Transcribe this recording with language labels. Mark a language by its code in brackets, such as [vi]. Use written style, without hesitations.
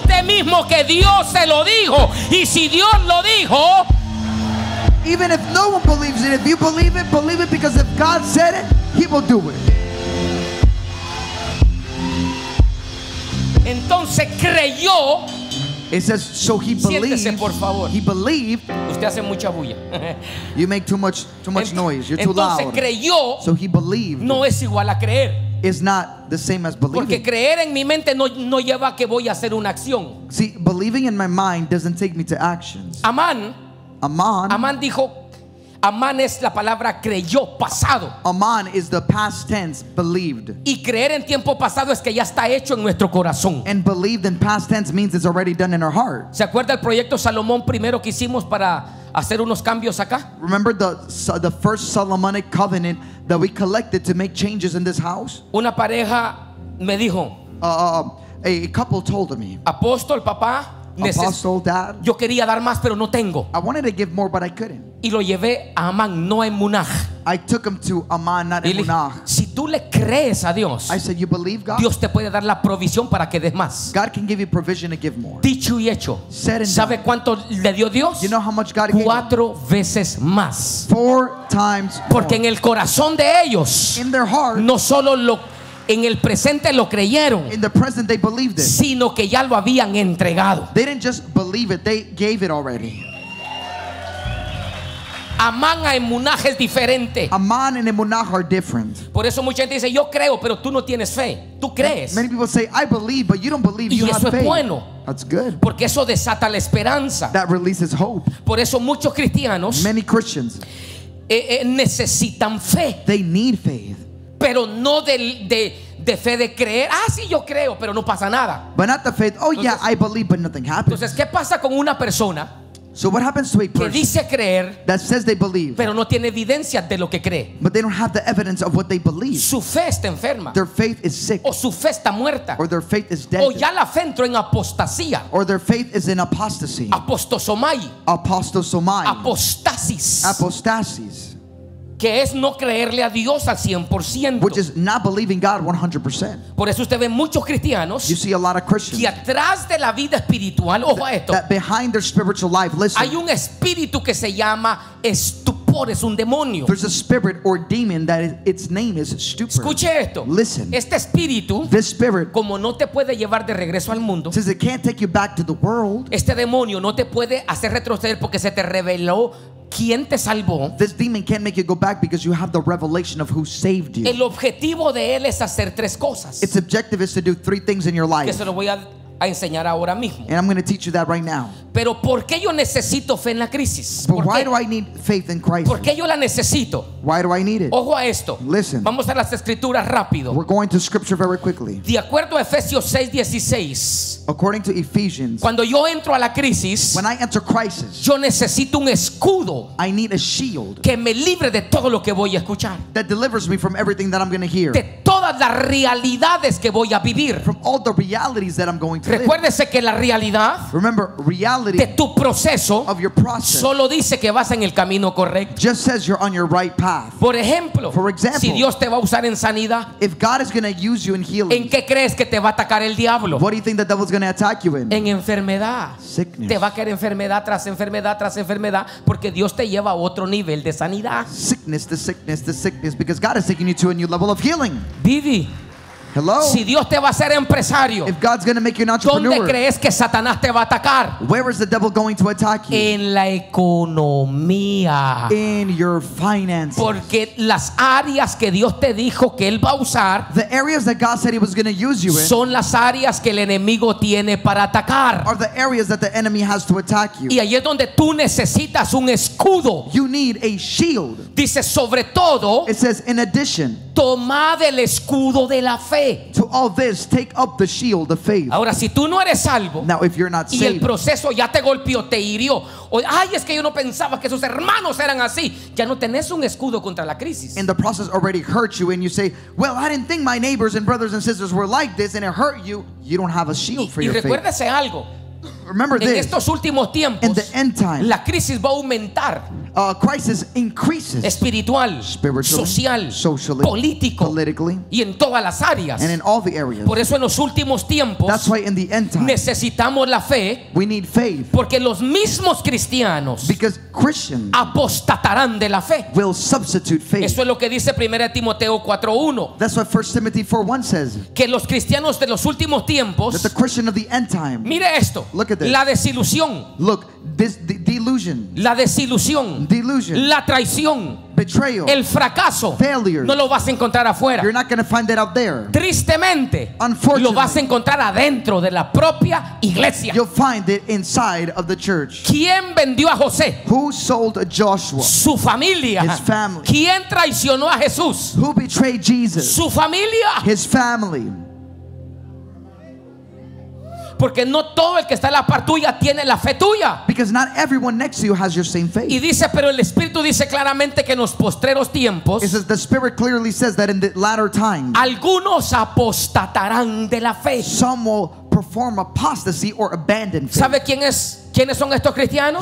[es] Usted mismo que Dios se lo dijo. Y si Dios lo dijo, [en] even if no one believes it, if you believe it because if God said it, he will do it. [es] Entonces creyó. [en] It says, so he believed. [es] Siéntese, por favor. [en] He believed. [es] Usted hace mucha bulla. [en] You make too much noise. You're too [es] Entonces [en] loud. [es] Creyó. [en] So he believed. [es] No es igual a creer. [en] It's not the same as believing. [es] Porque creer en mi mente no lleva a que voy a hacer una acción. [en] See, believing in my mind doesn't take me to actions. [es] Amán. Amán. Amán dijo. Amán es la palabra creyó pasado. [en] Amán is the past tense believed. [es] Y creer en tiempo pasado es que ya está hecho en nuestro corazón. [en] And believed in past tense means it's already done in our heart. [es] ¿Se acuerda el proyecto Salomón primero que hicimos para hacer unos cambios acá? [en] Remember the first Solomonic covenant that we collected to make changes in this house? [es] Una pareja me dijo. [en] A couple told me. [es] Apóstol, papá. [en] Apostle, dad, [es] yo quería dar más pero no tengo. [en] I wanted to give more but I couldn't. [es] Y lo llevé a Amán, no a Emunah. [en] I took him to Amán, not Emunah. [es] Si tú le crees a Dios, [en] I said, you believe God? [es] Dios te puede dar la provisión para que des más. [en] God can give you provision to give more. [es] Dicho y hecho. [en] Said and done. [es] ¿Sabe cuánto le dio Dios? [en] You know how much God gave? [es] Cuatro veces más. [en] Four times more. [es] Porque en el corazón de ellos, [en] in their heart, [es] no solo lo en el presente lo creyeron, [en] in the present they believed it, [es] sino que ya lo habían entregado. [en] They didn't just believe it, they gave it already. [es] Amán a Emunah es diferente. [en] Amán and Emunah are different. [es] Por eso mucha gente dice, yo creo, pero tú no tienes fe. Tú crees. [en] Many people say, I believe, but you don't believe. [es] Y [en] you [es] eso [en] have [es] es [en] faith. [es] Bueno. [en] That's good. [es] Porque eso desata la esperanza. [en] That releases hope. [es] Por eso muchos cristianos, [en] many Christians, [es] necesitan fe. [en] They need faith. [es] Pero no de fe de creer. Ah, sí, yo creo, pero no pasa nada. [en] But not the faith. Oh, entonces, yeah, I believe, but nothing happens. [es] Entonces, ¿qué pasa con una persona? [en] So what happens to a person [es] que dice creer, [en] that says they believe, [es] pero no tiene evidencia de lo que cree? [en] But they don't have the evidence of what they believe. [es] Su fe está enferma. [en] Their faith is sick. [es] O su fe está muerta. [en] Or their faith is dead. [es] O ya la fe entró en apostasía. [en] Or their faith is in apostasy. [es] Apostosomai. Apostosomai. Apostasis. Apostasis. Que es no creerle a Dios al 100%. [en] Which is not believing God 100%. [es] Por eso usted ve muchos cristianos. [en] You see a lot of Christians. [es] Que atrás de la vida espiritual, ojo a esto. [en] That behind their spiritual life, listen. [es] Hay un espíritu que se llama estupor, es un demonio. [en] There's a spirit or demon that its name is stupor. [es] Escuche esto. [en] Listen. [es] Este espíritu, [en] this spirit, [es] como no te puede llevar de regreso al mundo. [en] Since it can't take you back to the world. [es] Este demonio no te puede hacer retroceder porque se te reveló. ¿Quién te salvó? [en] This demon can't make you go back because you have the revelation of who saved you. [es] El objetivo de él es hacer tres cosas. [en] Its objective is to do three things in your life. [es] Que se lo voy a enseñar ahora mismo. [en] And I'm going to teach you that right now. [es] Pero ¿por qué yo necesito fe en la crisis? [en] But why do I need faith in crisis? [es] ¿Por qué yo la necesito? [en] Why do I need it? [es] Ojo a esto. [en] Listen. [es] Vamos a las escrituras rápido. [en] We're going to scripture very quickly. [es] De acuerdo a Efesios 6:16. [en] According to Ephesians. [es] Cuando yo entro a la crisis. [en] When I enter crisis. [es] Yo necesito un escudo. [en] I need a shield. [es] Que me libre de todo lo que voy a escuchar. [en] That delivers me from everything that I'm going to hear. [es] De todas las realidades que voy a vivir. [en] From all the realities that I'm going to live. [es] Recuérdese que la realidad. [en] Remember, reality. [es] De tu proceso. [en] Of your process. [es] Solo dice que vas en el camino correcto. [en] Just says you're on your right path. [es] Por ejemplo, [en] for example, [es] si Dios te va a usar en sanidad, [en] if God is going to use you in healing, [es] ¿en qué crees que te va a atacar el diablo? [en] What do you think the devil is going to attack you in? [es] En enfermedad. [en] Sickness. [es] Te va a caer enfermedad tras enfermedad tras enfermedad porque Dios te lleva a otro nivel de sanidad. [en] Sickness, the sickness, the sickness, because God is taking you to a new level of healing. [es] Vivi. [en] Hello? [es] Si Dios te va a hacer empresario, [en] if God's going to make you an entrepreneur, [es] ¿dónde crees que Satanás te va a atacar? [en] Where is the devil going to attack you? [es] En la economía. [en] In your finances. [es] Porque las áreas que Dios te dijo que él va a usar, [en] the areas that God said he was going to use you in, [es] son las áreas que el enemigo tiene para atacar. [en] Are the areas that the enemy has to attack you. [es] Y ahí es donde tú necesitas un escudo. [en] You need a shield. [es] Dice sobre todo, [en] it says in addition, [es] tomad el escudo de la fe. [en] To all this, take up the shield of faith. [es] Ahora, si tú no eres salvo, [en] now if you're not [es] y [en] saved, [es] el proceso ya te golpeó, te hirió, o, ay, es que yo no pensaba que esos hermanos eran así, ya no tenés un escudo contra la crisis. [en] And the process already hurt you, and you say, well, I didn't think my neighbors and brothers and sisters were like this, and it hurt you. You don't have a shield for [es] y [en] your faith. [es] Y recuérdese algo. [en] Remember [es] en [en] this. [es] Estos últimos tiempos, [en] in the end time, [es] la crisis va a aumentar. [en] Crisis increases. [es] Espiritual, [en] spiritually, [es] social, [en] socially, [es] político, [en] politically, [es] y en todas las áreas. [en] And in all the areas. [es] Por eso en los últimos tiempos, [en] that's why in the end time, [es] necesitamos la fe. [en] We need faith. [es] Porque los mismos cristianos, [en] because Christians, [es] apostatarán de la fe. [en] Will substitute faith. [es] Eso es lo que dice 1 Timoteo 4:1. [en] That's what 1 Timothy 4:1 says. [es] Que los cristianos de los últimos tiempos, [en] that the Christian of the end time, [es] mire esto. [en] Look at this. [es] La desilusión. [en] Look, this, the delusion. [es] La desilusión. [en] Delusion. [es] La traición. [en] Betrayal. [es] El fracaso. [en] Failure. [es] No lo vas a encontrar afuera. [en] You're not going to find it out there. [es] Tristemente. [en] Unfortunately. [es] Lo vas a encontrar adentro de la propia iglesia. [en] You'll find it inside of the church. [es] ¿Quién vendió a José? [en] Who sold Joshua? [es] Su familia. [en] His family. [es] ¿Quién traicionó a Jesús? [en] Who betrayed Jesus? [es] Su familia. [en] His family. [es] Porque no todo el que está en la par tuya tiene la fe tuya. [en] Because not everyone next to you has your same faith. [es] Y dice, pero el Espíritu dice claramente que en los postreros tiempos, [en] it says the Spirit clearly says that in the latter time, [es] algunos apostatarán de la fe. [en] Some will perform apostasy or abandon faith. [es] ¿Sabe quién es? ¿Quiénes son estos cristianos?